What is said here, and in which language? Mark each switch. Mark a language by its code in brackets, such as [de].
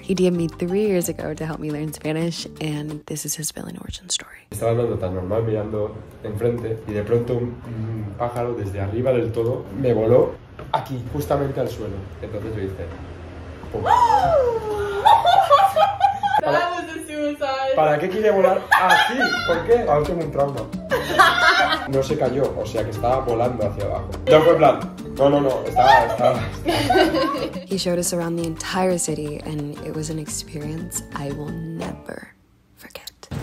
[en] He DM'd me 3 years ago to help me learn Spanish, and this is his villain origin story. [es] Estaba hablando tan normal, mirando enfrente, y de pronto un pájaro desde arriba del todo me voló aquí, justamente al suelo. Entonces yo hice... ¿Para qué quiere volar así? ¿Por qué? Ahora tengo un trauma. No se cayó, o sea que estaba volando hacia abajo. No fue plan. No, estaba. [en] He showed us around the entire city and it was an experience I will never forget.